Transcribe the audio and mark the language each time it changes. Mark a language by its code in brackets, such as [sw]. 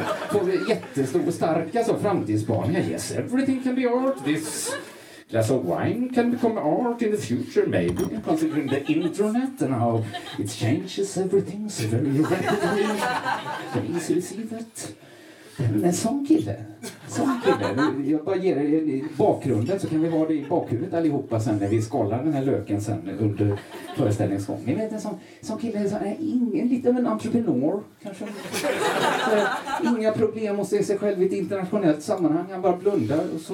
[sv] Får jättestor och starka så framtidsspaningar. [en] Yes, everything can be art, this... Glass of wine can become art in the future, maybe, considering the internet and how it changes everything so very rapidly. Can you easily see that? [sv] Men sån kille, jag bara ger er bakgrunden så kan vi ha det i bakhuvudet allihopa sen när vi skallar den här löken sen under föreställningsgången. Ni vet, en sån kille som är ingen, lite av en entreprenör kanske. Så, inga problem att se sig själv i ett internationellt sammanhang, han bara blundar och så.